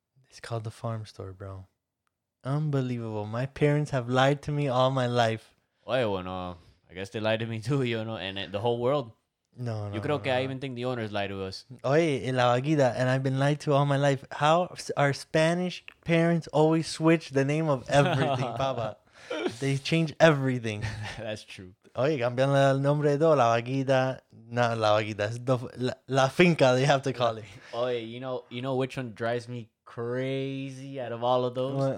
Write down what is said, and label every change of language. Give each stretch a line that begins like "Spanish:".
English: It's called the farm store, bro. Unbelievable. My parents have lied to me all my life.
Spanish: Oye, bueno,
English: I guess they lied to me too, you know, and the whole world. No.
Spanish: Yo creo que
English: I even think the owners lied to us.
Spanish: Oye, la vaquita,
English: and I've been lied to all my life. How our Spanish parents always switch the name of everything, papa. They change everything. That's true.
Spanish: Oye, cambian el nombre de todo, la vaquita. No, la vaquita.
English: It's la finca, they have to call it.
Spanish: Oye,
English: you know which one drives me crazy out of all of those?